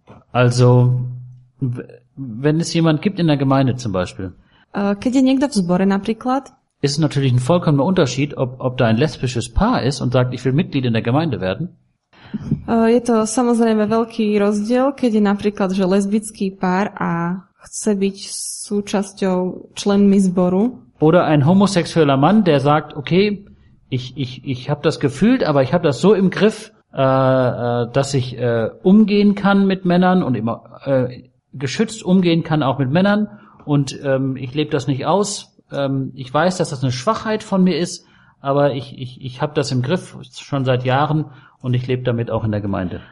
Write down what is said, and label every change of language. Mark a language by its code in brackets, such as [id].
[de] Also, wenn es jemand gibt in der Gemeinde zum Beispiel. [sk] Keď je niekto v zbore napríklad. [de] Ist natürlich ein vollkommener Unterschied, ob da ein lesbisches Paar ist und sagt, ich will Mitglied in der Gemeinde werden. [sk] Je to samozrejme veľký rozdiel, keď je napríklad, že lesbický pár a chce byť súčasťou členmi zboru. [de] Oder ein homosexueller Mann, der sagt, okay, ich habe das gefühlt, aber ich habe das so im Griff, dass ich umgehen kann mit Männern und immer geschützt umgehen kann auch mit Männern und ich lebe das nicht aus. Ich weiß, dass das eine Schwachheit von mir ist, aber ich habe das im Griff schon seit Jahren und ich lebe damit auch in der Gemeinde.